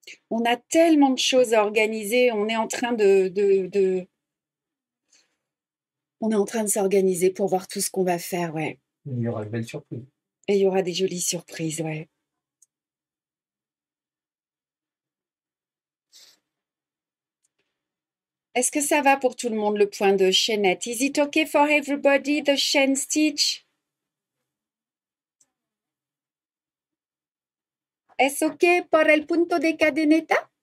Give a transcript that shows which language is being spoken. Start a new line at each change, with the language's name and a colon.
French: On a tellement de choses à organiser, on est en train on est en train de s'organiser pour voir tout ce qu'on va faire, ouais. Il y aura une belle surprise. Et il y aura des jolies surprises, ouais. Est-ce que ça va pour tout le monde le point de chaînette?
English: Is it okay for everybody the chain stitch?
French: Est-ce
Spanish: okay por el punto de cadeneta?